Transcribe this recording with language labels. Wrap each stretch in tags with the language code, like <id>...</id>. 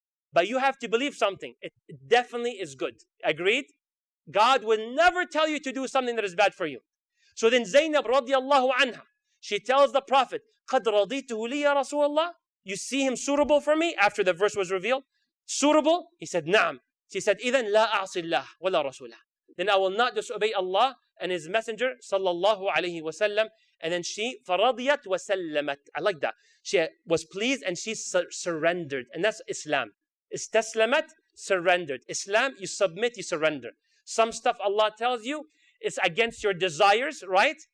<en>But you have to believe something. It definitely is good. Agreed? God will never tell you to do something that is bad for you. So then Zainab radiallahu anha, she tells the Prophet,</en> <ar>قَدْ رَضِيتُهُ لِيَا رَسُولَ اللَّهِ.</ar> <en>You see him suitable for me after the verse was revealed? Suitable? He said,</en> <ar>نعم.</ar> <en>She said,</en> <ar>إِذَنْ لَا أَعْصِ اللَّهِ وَلَا رَسُولَهِ.</ar> <en>Then I will not disobey Allah and His Messenger, sallallahu alayhi wa sallam. And then she,</en> <ar>فَرَضِيَتْ وَسَلَّمَتْ.</ar> <en>I like that. She was pleased and she surrendered. And that's Islam.</en> <ar>استسلمت,</ar> <en>surrendered. Islam, you submit, you surrender. Some stuff Allah tells you, it's against your desires, right?</en>